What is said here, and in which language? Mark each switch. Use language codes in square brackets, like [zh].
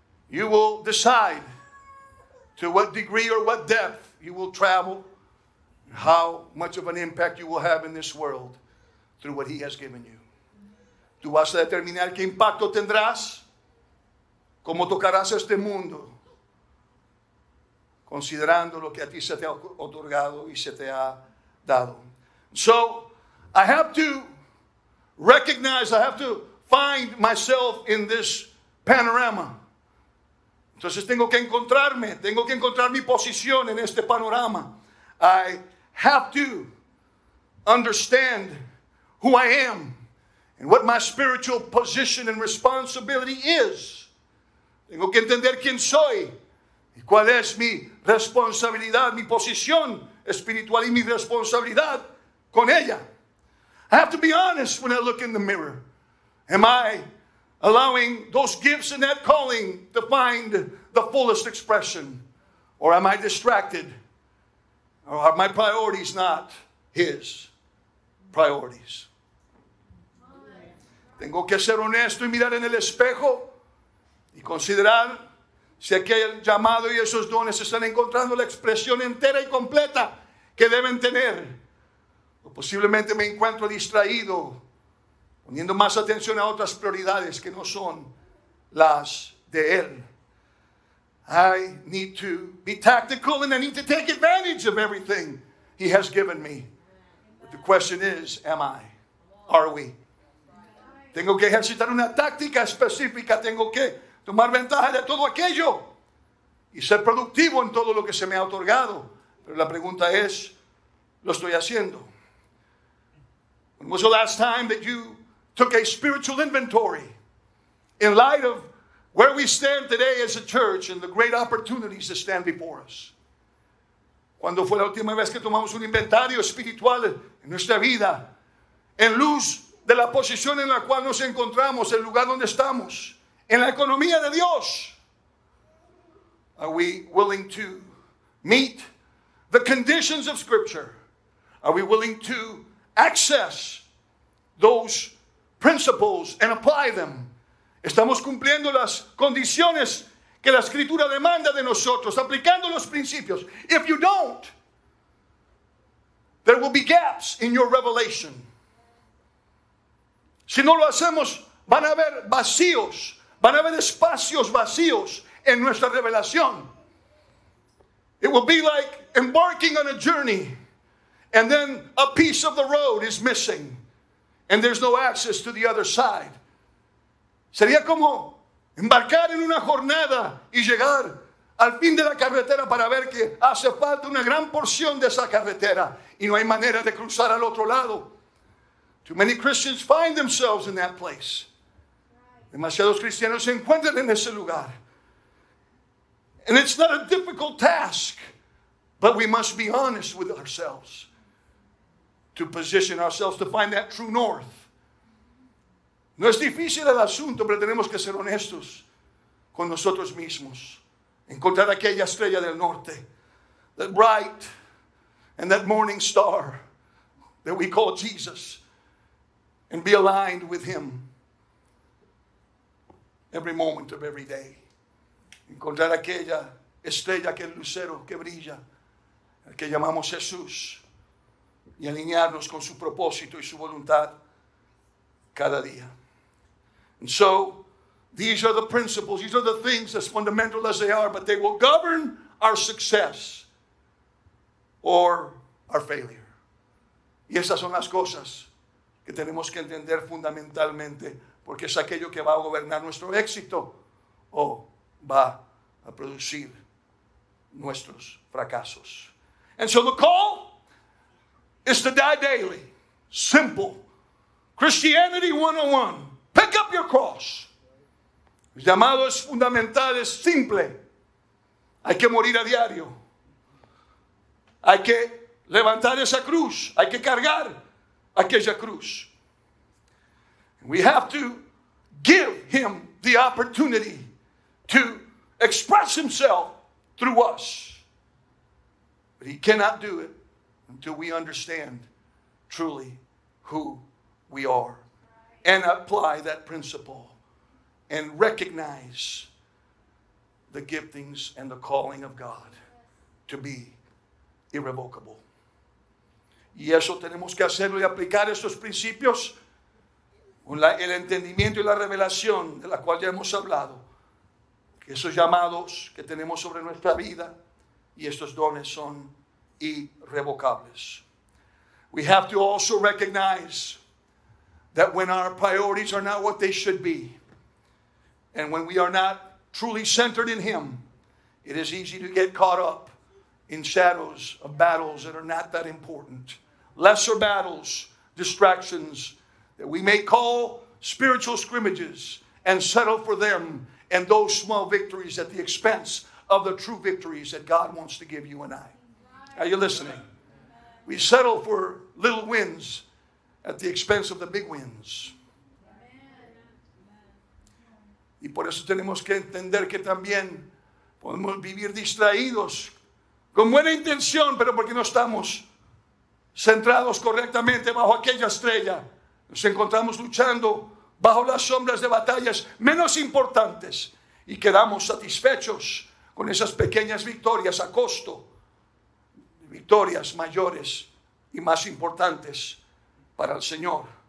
[en] You will decide to what degree or what depth you will travel, how much of an impact you will have in this world through what he has given you. [es] Tú vas a determinar qué impacto tendrás, cómo tocarás este mundo, considerando lo que a ti se te ha otorgado y se te ha dado. [en] So, I have to recognize, I have to find myself in this panorama. [es] Entonces tengo que encontrarme, tengo que encontrar mi posición en este panorama. [en] I have to understand who I am and what my spiritual position and responsibility is. [es] Tengo que entender quién soy y cuál es mi responsabilidad, mi posición espiritual y mi responsabilidad con ella. [en] I have to be honest when I look in the mirror. Am I allowing those gifts and that calling to find the fullest expression? Or am I distracted? Or are my priorities not his priorities? [es] Tengo que ser honesto y mirar en el espejo y considerar si aquel llamado y esos dones están encontrando la expresión entera y completa que deben tener. O posiblemente me encuentro distraído, poniendo más atención a otras prioridades que no son las de él. [en] I need to be tactical and I need to take advantage of everything he has given me. But the question is, am I? Are we? [es] Tengo que ejercitar una táctica específica. Tengo que tomar ventaja de todo aquello y ser productivo en todo lo que se me ha otorgado. Pero la pregunta es, ¿lo estoy haciendo? [en] When was the last time that you took a spiritual inventory in light of where we stand today as a church and the great opportunities that stand before us? [es] ¿Cuándo fue la última vez que tomamos un inventario espiritual en nuestra vida? En luz de la posición en la cual nos encontramos, el lugar donde estamos, en la economía de Dios. [en] Are we willing to meet the conditions of Scripture? Are we willing to access those principles and apply them? [es] ¿Estamos cumpliendo las condiciones que la Escritura demanda de nosotros, aplicando los principios? [en] If you don't, there will be gaps in your revelation. [es] Si no lo hacemos, van a haber vacíos, van a haber espacios vacíos en nuestra revelación. [en] It will be like embarking on a journey and then a piece of the road is missing and there's no access to the other side. [es] Sería como embarcar en una jornada y llegar al fin de la carretera para ver que hace falta una gran porción de esa carretera y no hay manera de cruzar al otro lado. [en] Too many Christians find themselves in that place. [es] Demasiados cristianos se encuentran en ese lugar. [en] And it's not a difficult task, but we must be honest with ourselves. to position ourselves to find that true north. [es] No es difícil el asunto, pero tenemos que ser honestos con nosotros mismos. Encontrar aquella estrella del norte, [en] that bright and that morning star that we call Jesus, and be aligned with him every moment of every day. [es] Encontrar aquella estrella, aquel lucero que brilla, el que llamamos Jesús, y alinearnos con su propósito y su voluntad cada día. [en] And so, these are the principles, these are the things as fundamental as they are, but they will govern our success or our failure. [es] Y esas son las cosas que tenemos que entender fundamentalmente, porque es aquello que va a gobernar nuestro éxito o va a producir nuestros fracasos. [en] And so the call is to die daily. Simple. Christianity 101. Pick up your cross. [es] El llamado es fundamental, es simple. Hay que morir a diario. Hay que levantar esa cruz. Hay que cargar aquella cruz. [en] We have to give him the opportunity to express himself through us. But he cannot do it until we understand truly who we are and apply that principle and recognize the giftings and the calling of God to be irrevocable. [es] Y eso tenemos que hacerlo y aplicar estos principios con el entendimiento y la revelación de la cual ya hemos hablado. Esos llamados que tenemos sobre nuestra vida y estos dones son irrevocables. [en] We have to also recognize that when our priorities are not what they should be and when we are not truly centered in him, it is easy to get caught up in shadows of battles that are not that important. Lesser battles, distractions that we may call spiritual scrimmages and settle for them and those small victories at the expense of the true victories that God wants to give you and I. Are you listening? We settle for little wins at the expense of the big wins. [es] Y por eso tenemos que entender que también podemos vivir distraídos con buena intención, pero porque no estamos centrados correctamente bajo aquella estrella. Nos encontramos luchando bajo las sombras de batallas menos importantes y quedamos satisfechos con esas pequeñas victorias a costo de victorias mayores y más importantes para el Señor.